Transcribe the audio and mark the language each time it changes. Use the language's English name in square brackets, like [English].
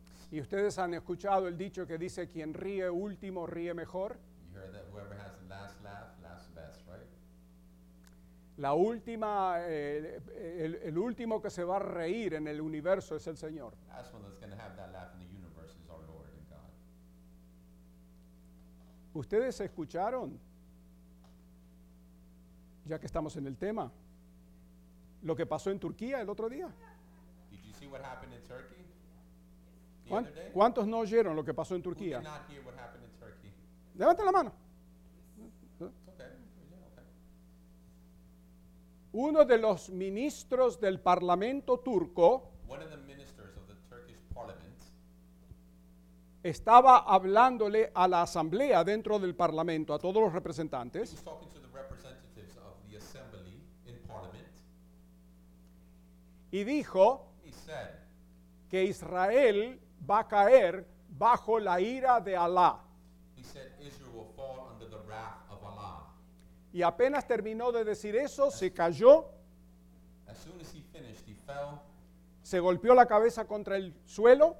[Spanish] Y ustedes han escuchado el dicho que dice, quien ríe último, ríe mejor. [English] You heard that whoever has the last laugh, laughs best, right? [Spanish] La última, el último que se va a reír en el universo es el Señor. [English] That's one that's going to have that laugh in the universe is our Lord and God. [Spanish] ¿Ustedes escucharon? Ya que estamos en el tema. Lo que pasó en Turquía el otro día. [English] Did you see what happened in Turkey? [Spanish] ¿Cuántos no oyeron lo que pasó en Turquía? [English] Who did not hear what happened in Turkey? [Spanish] Levanten la mano. [English] Okay. [Spanish] Uno de los ministros del Parlamento turco, [English] one of the ministers of the Turkish Parliament, [Spanish] estaba hablándole a la asamblea dentro del Parlamento, a todos los representantes. [English] He was talking to the representatives of the assembly in Parliament. [Spanish] Y dijo, [English] he said, [Spanish] que Israel va a caer bajo la ira de Alá. [English] He said Israel will fall under the wrath of Allah. [Spanish] Y apenas terminó de decir eso, se cayó. [English] As soon as he finished, he fell. [Spanish] Se golpeó la cabeza contra el suelo.